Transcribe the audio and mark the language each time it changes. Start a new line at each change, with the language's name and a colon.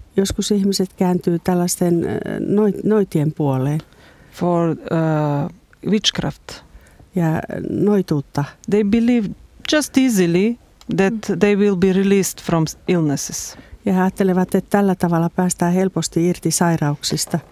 Finnish: Joskus ihmiset kääntyy tällaisten noitien puoleen.
English: For witchcraft.
Finnish: Ja noituutta.
English: They believe just easily that they will be released from illnesses.
Finnish: Ja he ajattelevat, että tällä tavalla päästään helposti irti sairauksista.